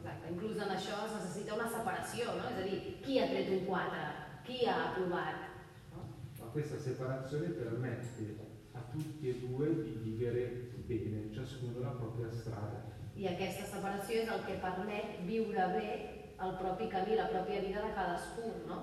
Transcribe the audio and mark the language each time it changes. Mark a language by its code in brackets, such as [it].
[ca] Inclús en això es necessita una separació, no? És a dir, qui ha tret un 4? Qui ha aprovat? [it] Questa separazione permette a tutti e due di vivere bene, ciascuno la propria strada. [ca] I aquesta separació és el que permet viure bé el propi camí, la pròpia vida de cadascun, no?